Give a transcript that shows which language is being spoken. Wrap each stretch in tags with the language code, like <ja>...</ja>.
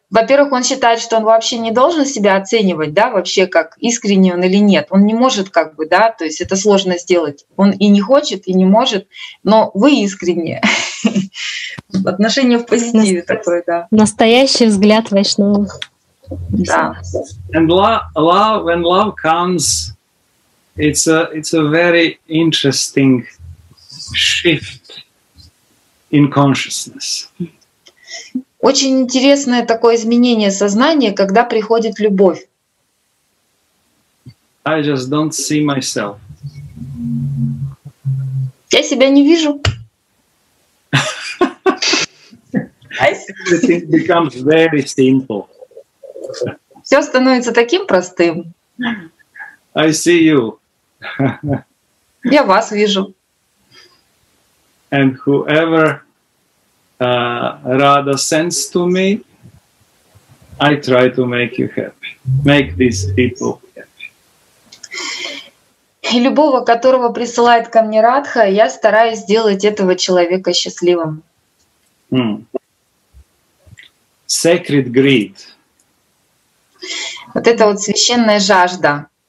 <ru>Во-первых, он считает, что он вообще не должен себя оценивать, да, вообще, как искренний он или нет. Он не может, как бы, да, то есть это сложно сделать. Он и не хочет, и не может, но вы искренние. Отношение в позитиве такое, да. Настоящий взгляд вайшнава. Да.</ru> <en>And love, when love comes, it's a very interesting shift in consciousness.</en> <ru>Очень интересное такое изменение сознания, когда приходит любовь.</ru> <en>I just don't see myself.</en> <ru>Я себя не вижу.</ru> <en>Everything becomes very simple.</en> <ru>Все становится таким простым.</ru> <en>I see you.</en> <ru>Я вас вижу.</ru> <en>And whoever Radha sends to me, I try to make you happy. Make these people happy.</en> <ru>И любого, которого присылает ко мне Радха, я стараюсь сделать этого человека счастливым.</ru> <en>Mm. Sacred greed.</en> <ru>Вот это вот священная жажда.</ru>